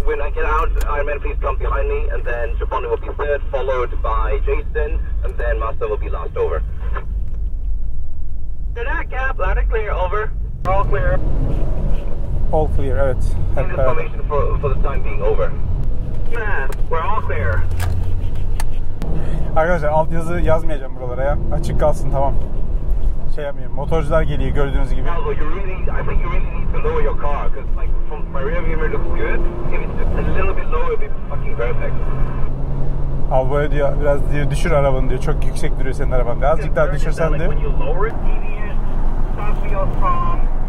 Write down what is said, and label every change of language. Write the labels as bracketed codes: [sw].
[en] When I get out, Iron Man, please come behind me. And then Jabari will be third, followed by Jason. And then Master will be last. Over. Good night, Cap. Loud and clear. Over. All clear. All clear, [tr] evet. [en] Hep for the time being over. Yeah, we're all clear. [tr] Arkadaşlar, altyazı yazmayacağım buralara ya. Açık kalsın, tamam. Şey yapmayayım, motorcular geliyor gördüğünüz gibi. [en] Albo, you really need, I think you really need to lower your car. Because like, from my rear view mirror looks good. If it's just a little bit lower, it'll be fucking perfect. [tr] Albo diyor, biraz diyor, düşür arabanı diyor. Çok yüksek duruyor senin araban. Birazcık daha düşürsen diyor. [en] When you lower it, TV is top of your car.